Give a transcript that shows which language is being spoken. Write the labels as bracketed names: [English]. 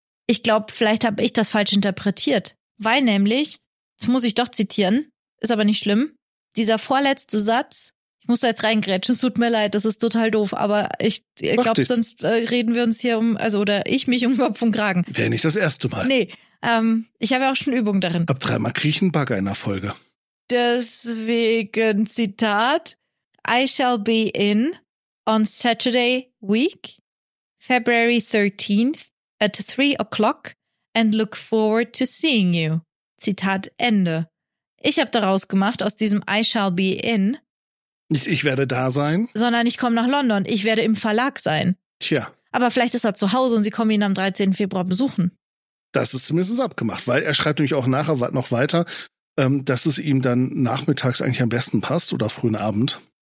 [German] Ich glaube, vielleicht habe ich das falsch interpretiert. Weil nämlich, jetzt muss ich doch zitieren, ist aber nicht schlimm, dieser vorletzte Satz, ich muss da jetzt reingrätschen, es tut mir leid, das ist total doof, aber ich glaube, sonst reden wir uns hier um Kopf und Kragen. Wäre nicht das erste Mal. Nee, ich habe ja auch schon Übungen darin. Ab dreimal kriege ich einen Bagger in der Folge. Deswegen, Zitat, [English] I shall be in on Saturday week, February 13th at 3 o'clock and look forward to seeing you. [German] Zitat Ende. Ich habe daraus gemacht, aus diesem [English] I shall be in, [German] nicht ich werde da sein. Sondern ich komme nach London. Ich werde im Verlag sein. Tja. Aber vielleicht ist er zu Hause und sie kommen ihn am 13. Februar besuchen. Das ist zumindest abgemacht, weil er schreibt nämlich auch nachher noch weiter, dass es ihm dann nachmittags eigentlich am besten passt oder frühen Abend.